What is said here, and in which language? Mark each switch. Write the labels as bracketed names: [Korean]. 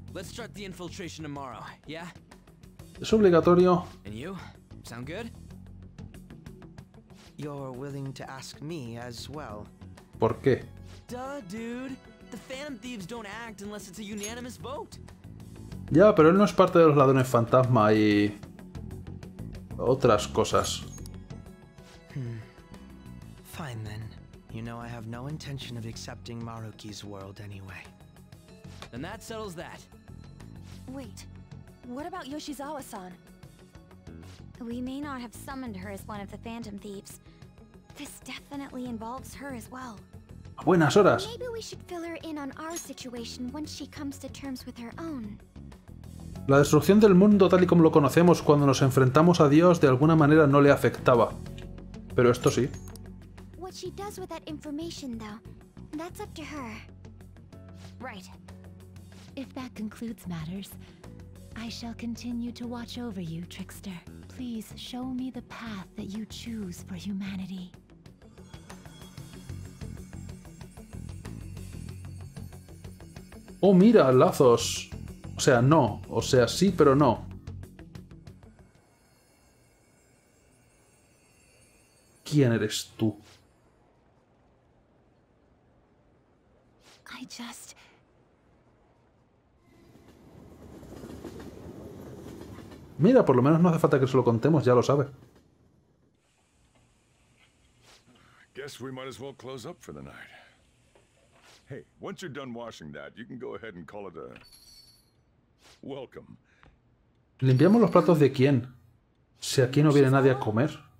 [English] Let's start the infiltration tomorrow, yeah? [Spanish] Es obligatorio. [English] And you? Sound good? You're willing to ask me as well. [Spanish] ¿Por qué? [English] Duh, dude. The Phantom Thieves don't act unless it's a unanimous vote. [Spanish] Ya, pero él no es parte de los ladrones fantasma y otras cosas. [English] Fine then. You know I have no intention of accepting Maruki's world anyway. And that settles that. Wait. What about Yoshizawa-san? We may not have summoned her as one of the Phantom Thieves. This definitely involves her as well. [Spanish] Buenas horas. [English] Maybe we should fill her in on our situation once she comes to terms with her own. [Spanish] La destrucción del mundo tal y como lo conocemos cuando nos enfrentamos a Dios de alguna manera no le afectaba. Pero esto sí. [English] What she does with that information, though, that's up to her. Right. If that concludes matters, I shall continue to watch over you, Trickster. Please show me the path that you choose for humanity. [Spanish] Oh, mira, lazos. O sea, no. O sea, sí, pero no. ¿Quién eres tú? [English] I just... [Spanish] Mira, por lo menos no hace falta que se lo contemos, ya lo sabe. [English] Guess we might as well close up for the night. Hey, once you're done washing that, you can go ahead and call it a... Welcome. [Spanish] ¿Limpiamos los platos de quién? Si aquí no viene nadie a comer.